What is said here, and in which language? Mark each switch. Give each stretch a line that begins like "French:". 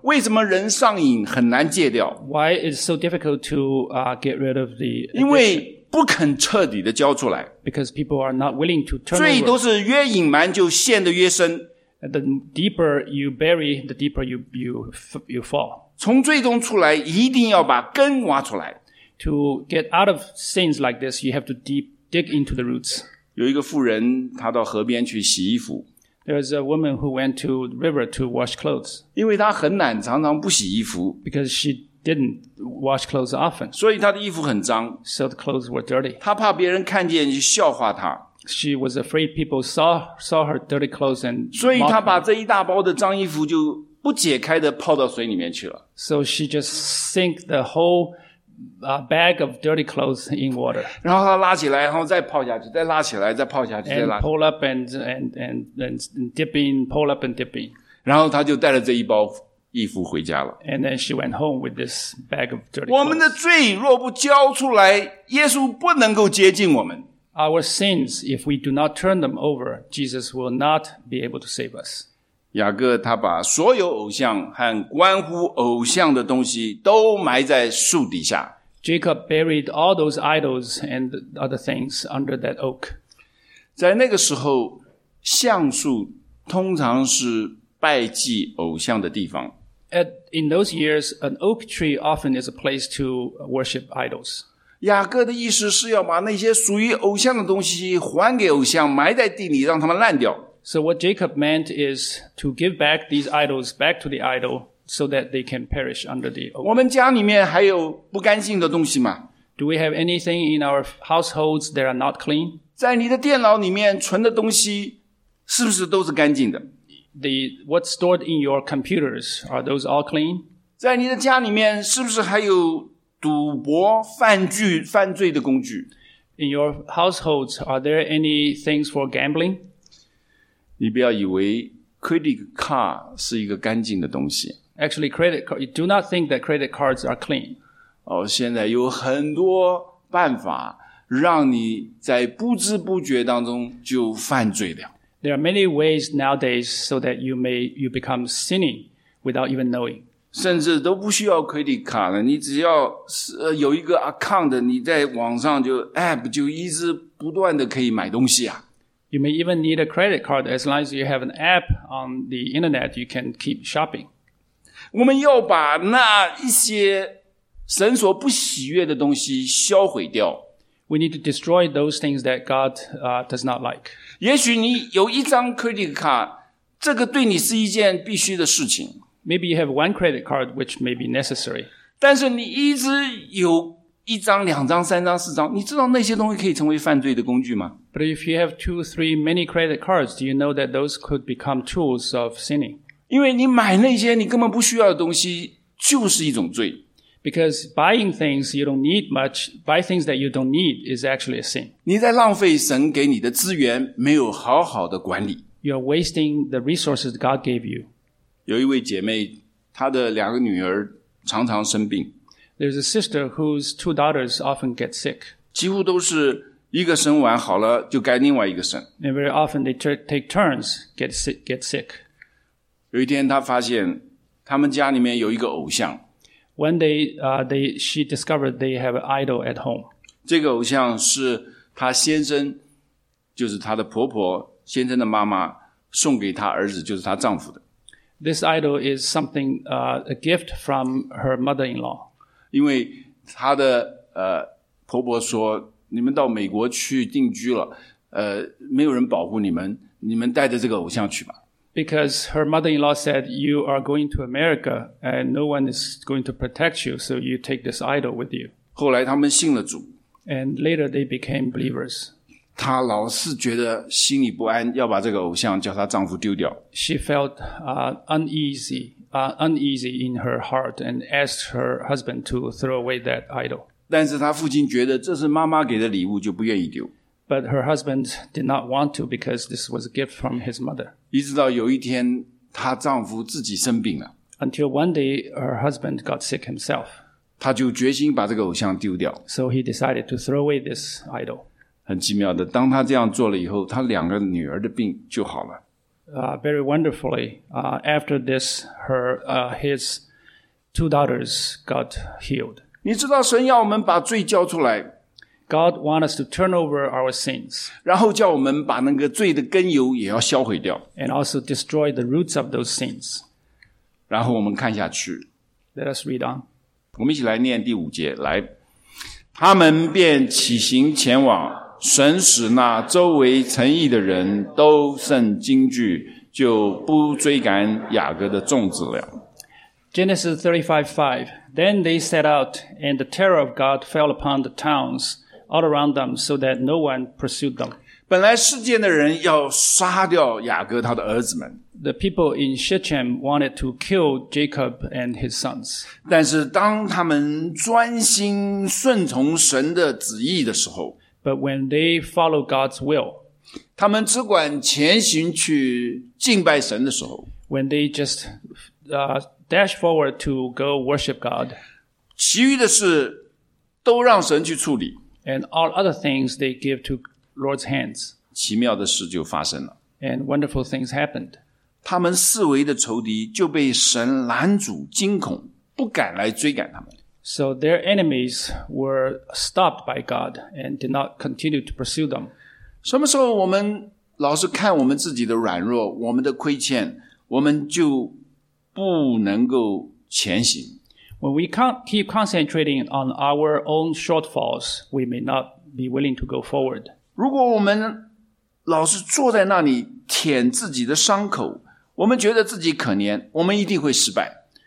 Chinese: 为什么人上瘾很难戒掉？
English: Why is it so difficult to get rid of the addiction?
Chinese: 因为不肯彻底的交出来。
English: Because people are not willing to turn
Chinese: 罪都是越隐瞒就陷得越深。
English: The deeper you bury, the deeper you fall.
Chinese: 从罪中出来一定要把根挖出来。
English: To get out of sins like this, you have to dig into the roots.
Chinese: 有一个妇人她到河边去洗衣服。
English: There was a woman who went to the river to wash clothes.
Chinese: 因为她很懒常常不洗衣服。
English: Because she didn't wash clothes often.
Chinese: 所以她的衣服很脏。
English: So the clothes were dirty.
Chinese: 她怕别人看见就笑话她。
English: She was afraid people saw her dirty clothes and
Chinese: 所以她把这一大包的脏衣服就不解开的泡到水里面去了。
English: So she just sank the whole bag of dirty clothes in water.
Chinese: 然后她拉起来然后再泡下去再拉起来再泡下去再拉。
English: And pull up and dip in, pull up and dip in.
Chinese: 然后她就带了这一包衣服回家了。
English: And then she went home with this bag of dirty clothes.
Chinese: 我们的罪若不交出来，耶稣不能够接近我们。
English: Our sins, if we do not turn them over, Jesus will not be able to save us.
Chinese: 雅各他把所有偶像和关乎偶像的东西都埋在树底下。
English: Jacob buried all those idols and other things under that oak.
Chinese: 在那个时候，橡树通常是拜祭偶像的地方。
English: In those years, an oak tree often is a place to worship idols.
Chinese: 雅各的意思是要把那些属于偶像的东西还给偶像，埋在地里，让他们烂掉。
English: So what Jacob meant is to give back these idols back to the idol so that they can perish under the oak.
Chinese: 我们家里面还有不干净的东西吗？
English: Do we have anything in our households that are not clean?
Chinese: 在你的电脑里面存的东西是不是都是干净的？
English: What's stored in your computers, are those all clean?
Chinese: 在你的家里面是不是还有赌博犯罪的工具？
English: In your households, are there any things for gambling?
Chinese: 你不要以为 credit card 是一个干净的东西。
English: Actually, credit card, you do not think that credit cards are clean.
Chinese: 哦，现在有很多办法让你在不知不觉当中就犯罪了。
English: There are many ways nowadays so that you become sinning without even knowing.
Chinese: 甚至都不需要 credit card 了，你只要有一个 account， 你在网上就 app 就一直不断的可以买东西啊。
English: You may even need a credit card as long as you have an app on the internet, you can keep shopping.
Chinese: 我们要把那一些神所不喜悦的东西销毁掉。
English: We need to destroy those things that God does not like.
Chinese: 也许你有一张 credit card， 这个对你是一件必须的事情。
English: Maybe you have one credit card which may be necessary.
Chinese: 但是你一直有一张、两张、三张、四张，你知道那些东西可以成为犯罪的工具吗？
English: But if you have two, three, many credit cards, do you know that those could become tools of sinning?
Chinese: 因为你买那些你根本不需要的东西，就是一种罪。
English: Because buying things you don't need much, buy things that you don't need is actually a sin.
Chinese: 你在浪费神给你的资源，没有好好的管理。
English: You're wasting the resources God gave you.
Chinese: 有一位姐妹，她的两个女儿常常生病。
English: There's a sister whose two daughters often get sick.
Chinese: 几乎都是一个生完好了就该另外一个生。
English: And very often they take turns get sick.
Chinese: 有一天她发现他们家里面有一个偶像。
English: One day, she discovered they have an idol at home.
Chinese: 这个偶像是她先生，就是她的婆婆，先生的妈妈送给她儿子，就是她丈夫的。
English: This idol is something, a gift from her mother-in-law.
Chinese: 因为她的婆婆说，你们到美国去定居了，没有人保护你们，你们带着这个偶像去吧。
English: Because her mother-in-law said, you are going to America and no one is going to protect you, so you take this idol with you.
Chinese: 后来他们信了主。
English: And later they became believers.
Chinese: 她老是觉得心里不安，要把这个偶像叫她丈夫丢掉。
English: She felt uneasy in her heart and asked her husband to throw away that idol.
Chinese: 但是她父亲觉得这是妈妈给的礼物，就不愿意丢。
English: But her husband did not want to because this was a gift from his mother.
Chinese: 一直到有一天她丈夫自己生病了。
English: Until one day her husband got sick himself.
Chinese: 她就决心把这个偶像丢掉。
English: So he decided to throw away this idol.
Chinese: 很奇妙的，当她这样做了以后，她两个女儿的病就好了。
English: Very wonderfully, after this, his two daughters got healed.
Chinese: 你知道神要我们把罪交出来。
English: God wants us to turn over our sins.
Chinese: 然后叫我们把那个罪的根由也要销毁掉。
English: And also destroy the roots of those sins.
Chinese: 然后我们看下去。
English: Let us read on.
Chinese: 我们一起来念第五节，来。他们便起行前往，神使那周围诚意的人都甚惊惧，就不追赶雅各的众子了。
English: Genesis 35:5. Then they set out, and the terror of God fell upon the towns all around them, so that no one pursued them.
Chinese: 本来世间的人要杀掉雅各他的儿子们。
English: The people in Shechem wanted to kill Jacob and his sons.
Chinese: 但是当他们专心顺从神的旨意的时候，
English: But when they follow God's will,
Chinese: 他们只管前行去敬拜神的时候，
English: When they just dash forward to go worship God,
Chinese: 其余的事都让神去处理。
English: And all other things they give to Lord's hands.
Chinese: 奇妙的事就发生了。
English: And wonderful things happened.
Chinese: 他们四围的仇敌就被神拦阻惊恐，不敢来追赶他们。
English: So their enemies were stopped by God and did not continue to pursue them.
Chinese: 什么时候我们老是看我们自己的软弱，我们的亏欠，我们就不能够前行。
English: When we keep concentrating on our own shortfalls, we may not be willing to go forward.
Chinese: 如果我们老是坐在那里舔自己的伤口，我们觉得自己可怜，我们一定会失败。